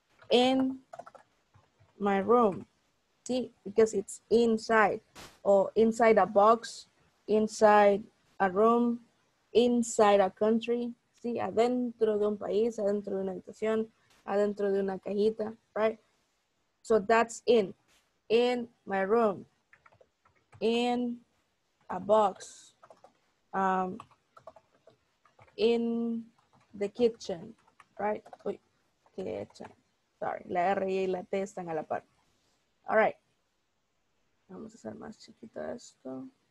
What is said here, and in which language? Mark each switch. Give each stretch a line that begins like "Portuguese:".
English: In my room, ¿sí? Because it's inside, o inside a box, inside a room, inside a country, ¿sí?
Spanish: Adentro de un país, adentro de una habitación, adentro de una cajita, right?
English: So that's in my room, in a box, in the kitchen, right?
Spanish: Uy, kitchen, sorry, la R y la T están a la par. All right, vamos a hacer más chiquito esto.